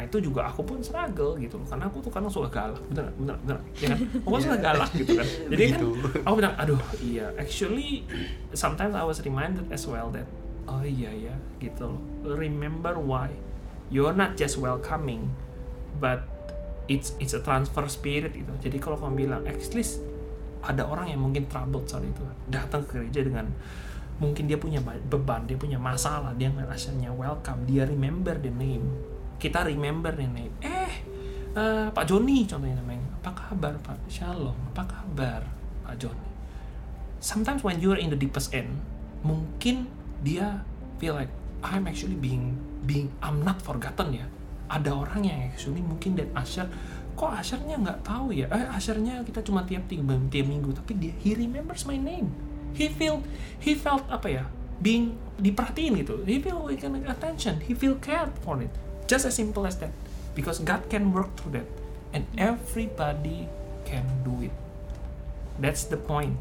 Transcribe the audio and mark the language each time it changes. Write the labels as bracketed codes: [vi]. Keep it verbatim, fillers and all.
[id] Nah itu juga aku pun struggle gitu loh, karena aku tuh kadang suka galak, bener bener bener, ya kan? Aku yeah. suka galak gitu kan. Jadi kan, aku bilang, aduh iya. [en] Actually, sometimes I was reminded as well that, [id] oh iya ya gitu loh. [en] Remember why you're not just welcoming, but it's it's a transfer spirit gitu. [id] Jadi kalau kamu bilang, [en] at least [id] ada orang yang mungkin troubled soal itu, datang ke gereja dengan mungkin dia punya beban, dia punya masalah, dia ngerasanya welcome, dia [en] remember the name, [id] kita remember the name. Eh, uh, Pak Joni contohnya namanya, apa kabar Pak? Shalom, apa kabar Pak Joni? [en] Sometimes when you're in the deepest end, [id] mungkin dia [en] feel like I'm actually being, being I'm not forgotten ya. [id] Ada orang yang actually mungkin dan Asher, kok Ashernya nggak tahu ya? Eh, Ashernya kita cuma tiap tiap minggu, tapi dia [en] he remembers my name. He felt, he felt [id] apa ya, [en] being [id] diperhatiin gitu. [en] He feel attention. He feel cared for it. Just as simple as that. Because God can work through that, and everybody can do it. That's the point.